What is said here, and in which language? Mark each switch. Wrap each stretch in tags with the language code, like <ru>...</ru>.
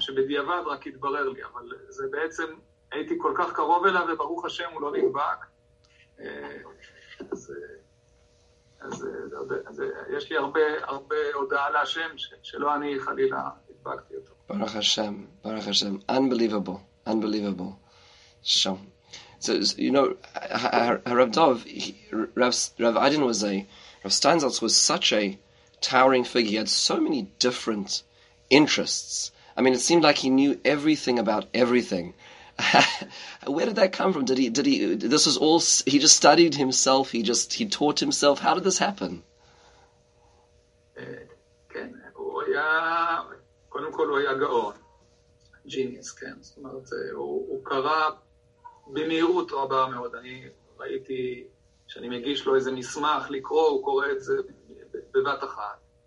<he>שבדיעבד רק התברר לי, אבל זה בעצם... הייתי כל כך קרוב אליו, וברוך השם, הוא לא נדבק. אז יש לי הרבה הודעה להשם, שלא אני חלילה נדבקתי אותו. ברוך השם, ברוך השם.</he> <en>Unbelievable, unbelievable.</en> <he>שום.</he> <en>So, you know, Rav Dov, Rav Adin was a, Rav Steinsaltz was such a towering figure. He had so many different interests. I mean, it seemed like he knew everything about everything. Where did that come from? Did he? This was all. He just studied himself. He taught himself. How did this happen?</en> <he>Ken, הוא היה, קודם כל הוא היה גאון, genius, כן. זאת אומרת, הוא קרא במהירות רבה מאוד. אני ראיתי שאני מגיש לו איזה מסמך לקרוא, הוא קורא את זה בבת אחת.</he>